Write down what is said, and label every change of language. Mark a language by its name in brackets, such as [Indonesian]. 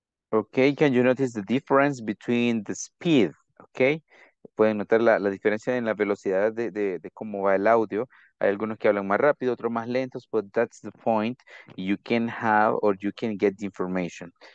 [English] Okay, can you notice the difference between the speed? [Spanish] Okay, pueden notar la diferencia en la velocidad de cómo va el audio. Hay algunos que hablan más rápido, otros más lentos, [English] but that's the point. You can have or you can get the information.